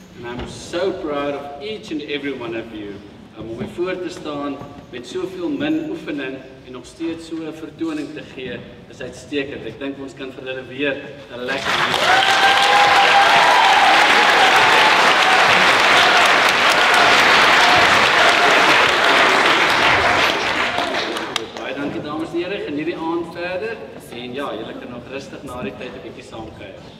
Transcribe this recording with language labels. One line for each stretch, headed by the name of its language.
English: And I'm so proud of each and every one of you.
Afrikaans: Om my voor te staan met soveel min oefening en nog steeds so 'n vertoning te gee, is uitstekend. Ek dink ons kan vir hulle weer 'n lekker baie dankie dames en heren, geniet die aand verder en ja, julle kan nog rustig na die tyd 'n bietjie saamkuier.